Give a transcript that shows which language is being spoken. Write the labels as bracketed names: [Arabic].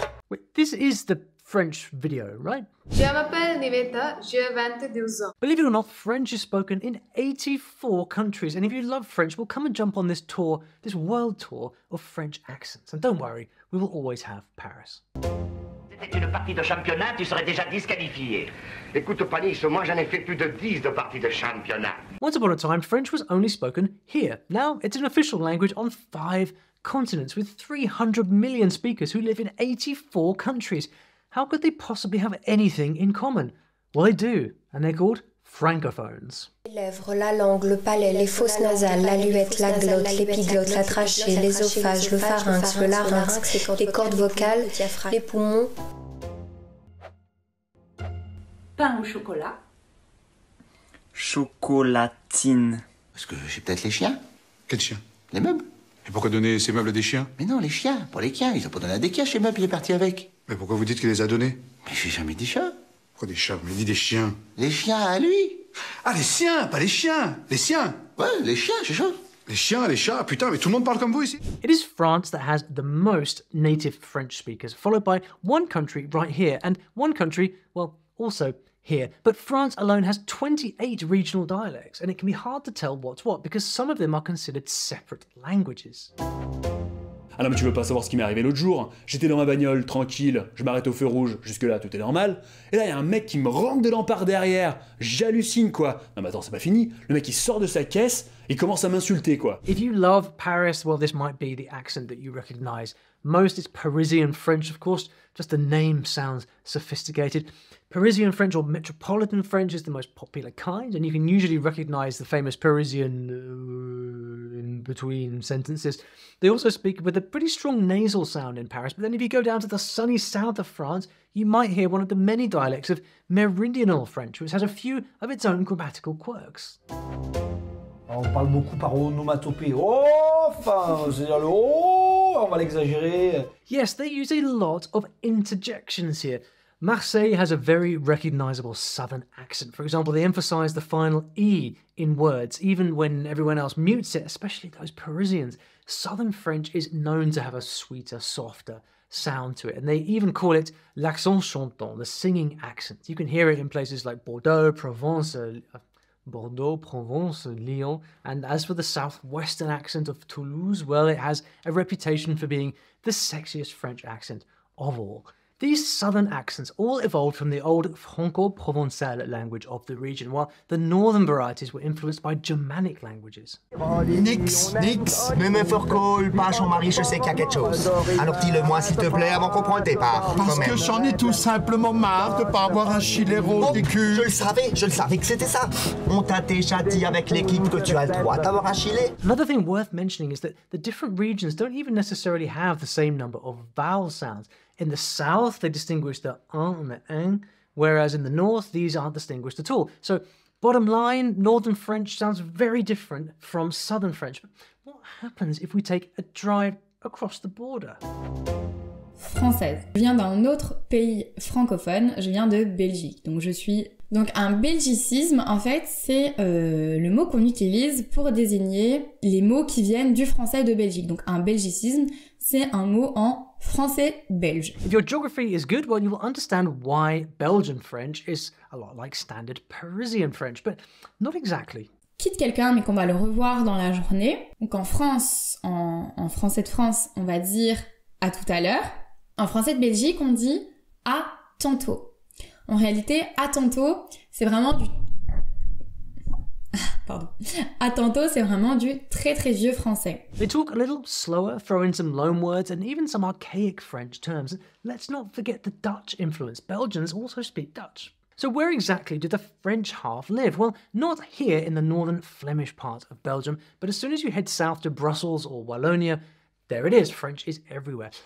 [English] Wait, this is the French video, right? [French] Je m'appelle Niveta, j'ai 22 ans. [English] Believe it or not, French is spoken in 84 countries, and if you love French, well, come and jump on this tour, this world tour of French accents. And don't worry, we will always have Paris. [French] C'était une partie de championnat, tu serais déjà disqualifié. Écoute, Panisse, moi j'en ai fait plus de 10 de parties de championnat. [English] Once upon a time, French was only spoken here. Now it's an official language on 5 continents with 300 million speakers who live in 84 countries. How could they possibly have anything in common? Well, they do, and they're called francophones. [French] Les lèvres, la langue, le palais, les fosses nasales, l'aluette, la glotte, l'épiglotte, la trachée, l'œsophage, le pharynx, le larynx, les cordes vocales, les poumons. Pain au chocolat. Chocolatine. Parce que j'ai peut-être les chiens. Quels chiens? Les meubles. Et pourquoi donner ces meubles à des chiens? Mais non, les chiens, pour les chiens. Ils ont pas donné à des chiens, ces meubles, il est parti avec. Mais pourquoi vous dites qu'il les a donnés? Mais j'ai jamais dit chat. Pourquoi des chats? Mais dis des chiens. Les chiens à lui. Ah, les siens, pas les chiens. Les siens. Ouais, les chiens, c'est ça. Les chiens, les chats, putain, mais tout le monde parle comme vous ici. [English] It is France that has the most native French speakers, followed by one country right here, and one country, well, also here. But France alone has 28 regional dialects, and it can be hard to tell what's what, because some of them are considered separate languages. Ah non, mais tu veux pas savoir ce qui m'est arrivé l'autre jour. J'étais dans ma bagnole, tranquille, je m'arrête au feu rouge, jusque-là tout est normal. Et là, il y a un mec qui me rentre dedans par derrière. J'hallucine, quoi. Non, mais attends, c'est pas fini. Le mec, il sort de sa caisse, il commence à m'insulter, quoi. If you love Paris, well, this might be the accent that you recognize. Most is Parisian French, of course. Just the name sounds sophisticated. Parisian French or Metropolitan French is the most popular kind, and you can usually recognize the famous Parisian in between sentences. They also speak with a pretty strong nasal sound in Paris, but then if you go down to the sunny south of France, you might hear one of the many dialects of Meridional French, which has a few of its own grammatical quirks. [French] On parle beaucoup par onomatopée. Oh, c'est-à-dire le oh, on va l'exagérer. [English] Yes, they use a lot of interjections here. Marseille has a very recognizable southern accent. For example, they emphasize the final E in words, even when everyone else mutes it, especially those Parisians. Southern French is known to have a sweeter, softer sound to it, and they even call it [French] l'accent chantant, [English] the singing accent. You can hear it in places like Bordeaux, Provence, Lyon. And as for the southwestern accent of Toulouse, well, it has a reputation for being the sexiest French accent of all. These southern accents all evolved from the old Franco-Provençal language of the region, while the northern varieties were influenced by Germanic languages. [French] Nix, nix, même fort call, pas Jean-Marie, je sais qu'il y a quelque chose. Alors dis-le-moi, s'il te plaît, avant qu'on prenne le départ. Parce que j'en ai tout simplement marre de pas avoir un chilero des culs. Je le savais que c'était ça. On t'a déjà dit avec l'équipe que tu as le droit d'avoir un chilé. [English] Another thing worth mentioning is that the different regions don't even necessarily have the same number of vowel sounds. In the south, they distinguish the un and the ng, whereas in the north, these aren't distinguished at all. So, bottom line, northern French sounds very different from southern French. But what happens if we take a drive across the border? [French] Française. Je viens d'un autre pays francophone, je viens de Belgique. Donc, je suis. Donc, un belgicisme, en fait, c'est le mot qu'on utilise pour désigner les mots qui viennent du français de Belgique. Donc, un belgicisme, c'est un mot en français belge. [English] If your geography is good, well, you will understand why Belgian French is a lot like standard Parisian French, but not exactly. [French] Quitte quelqu'un, mais qu'on va le revoir dans la journée. Donc en France, en français de France, on va dire à tout à l'heure. En français de Belgique, on dit à tantôt. En réalité, à tantôt, c'est vraiment du... À tantôt, c'est vraiment du très très vieux français. [English] They talk a little slower, throw in some loan words and even some archaic French terms. Let's not forget the Dutch influence. Belgians also speak Dutch. So where exactly do the French half live? Well, not here in the northern Flemish part of Belgium, but as soon as you head south to Brussels or Wallonia, there it is, French is everywhere.